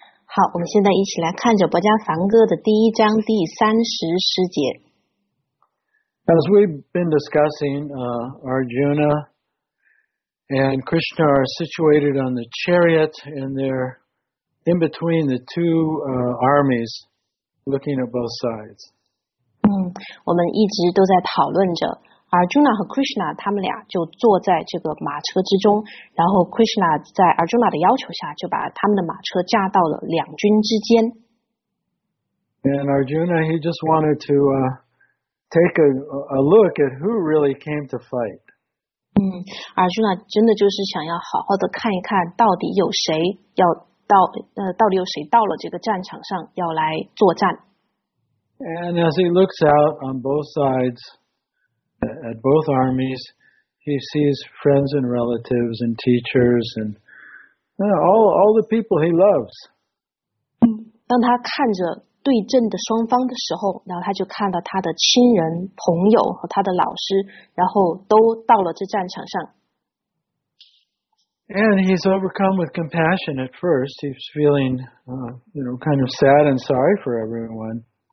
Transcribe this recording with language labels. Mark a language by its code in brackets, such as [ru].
[zh] 好，我们现在一起来看着《薄伽梵歌》的第一章第三十十节。 [en] As we've been discussing, Arjuna and Krishna are situated on the chariot, and they're in between the two armies, looking at both sides. [zh] 我们一直都在讨论着 Arjuna 和 Krishna， 他们俩就坐在这个马车之中，然后 Krishna 在 Arjuna 的要求下，就把他们的马车架到了两军之间。 [en] And Arjuna, he just wanted to take a look at who really came to fight. [zh] Arjuna 真的就是想要好好的看一看到底有谁要到到底有谁到了这个战场上要来作战。 [en] And as he looks out on both sides, at both armies, he sees friends and relatives and teachers and all the people he loves. [zh] 当他看着对阵的双方的时候，然后他就看到他的亲人、朋友和他的老师，然后都到了这战场上。 [en] And he's overcome with compassion at first. He's feeling, kind of sad and sorry for everyone.